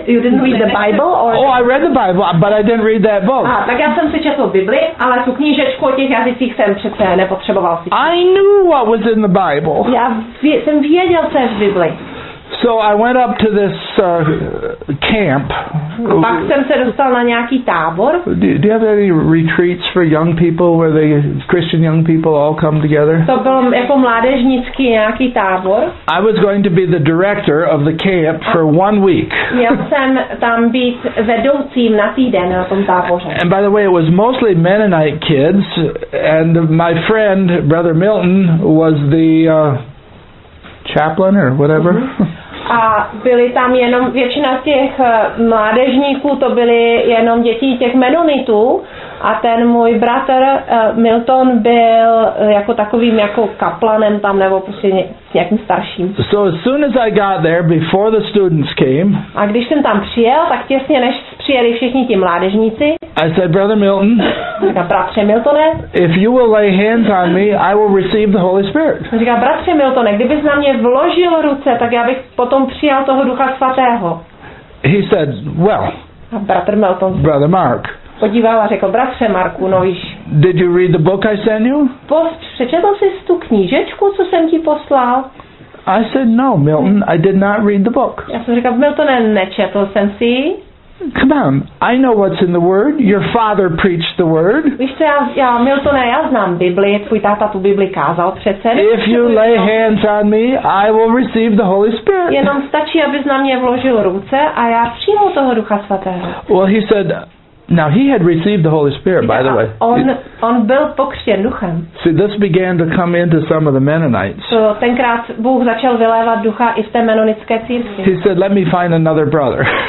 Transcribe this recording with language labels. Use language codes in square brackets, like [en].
[en] You didn't read the Bible? Oh, I read the Bible, but I didn't read that book. [cs] Tak já jsem si četl Bibli, ale tu knížečku o těch jazycích jsem přece nepotřeboval si. [en] I knew what was in the Bible. [cs] Já jsem věděl, co je v Bibli. [en] So I went up to this camp. [cs] Pak jsem se dostal na nějaký tábor. [en] Do you have any retreats for young people where the Christian young people all come together? [cs] To byl jako mládežnický nějaký tábor. [en] I was going to be the director of the camp for 1 week. [cs] Měl jsem tam být vedoucím na týden na tom táboře. [en] And by the way, it was mostly Mennonite kids, and my friend, Brother Milton, was the chaplain or whatever. [cs] A byli tam jenom většina těch mládežníků, to byly jenom děti těch menonitů, a ten můj bratr Milton byl jako takovým jako kaplanem tam nebo prostě nějakým starším. [en] So as soon as I got there before the students came. [cs] A když jsem tam přijel, tak těsně než přijeli všichni ti mládežníci. [en] I said, Brother Milton. [cs] Říká, bratře Miltone. [en] If you will lay hands on me, I will receive the Holy Spirit. [cs] Říká, bratře Miltone, kdybys na mě vložil ruce, tak já bych potom přijal toho Ducha Svatého. [en] He said, well. [cs] A bratr Milton. [en] Brother Mark. [cs] Podíval a řekl, bratře Marku, no víš. [en] Did you read the book I sent you? [cs] Přečetl jsi tu knížečku, co jsem ti poslal? [en] I said, no, Milton, I did not read the book. [cs] Já jsem říkal, Miltone, nečetl jsem si. [en] Come on, I know what's in the word. Your father preached the word. [cs] Víš co, já, Miltone, já znám Bibli, tvůj táta tu Bibli kázal přece. [en] If you lay hands on me, I will receive the Holy Spirit. [cs] Jenom stačí, abys na mě vložil ruce a já přijmu toho Ducha Svatého. [en] Well, he said, now he had received the Holy Spirit, by the way. [cs] On byl pokřtěn duchem. [en] See, this began to come into some of the Mennonites. [cs] So, tenkrát Bůh začal vylévat ducha i v té menonické církvi. [en] He said, let me find another brother.